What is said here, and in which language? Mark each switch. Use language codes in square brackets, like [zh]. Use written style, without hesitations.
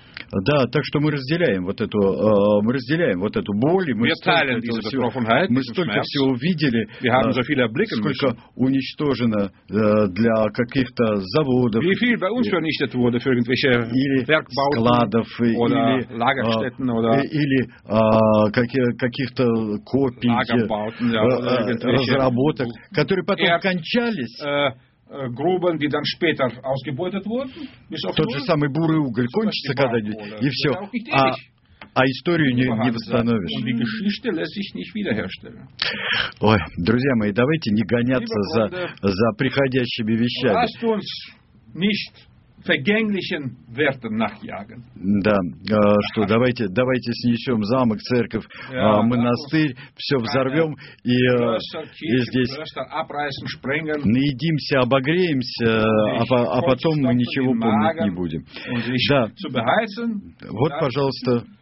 [ru] Да, так что мы разделяем вот эту, боль, и мы столько всего, видели, сколько уничтожено для каких-то заводов, или складов, или каких-то копий, разработок, которые потом кончались. [de] Грубен, die dann später ausgebeutet wurden. [ru] Тот же самый бурый уголь кончится когда-нибудь, и все. А историю не восстановишь. Ой, друзья мои, давайте не гоняться за приходящими вещами. [de] Lasst uns nicht vergänglichen Werten nachjagen. [ru] Да, что давайте снесем замок, церковь, монастырь, все взорвем и здесь наедимся, обогреемся, а потом мы ничего помнить не будем. Да, вот, пожалуйста,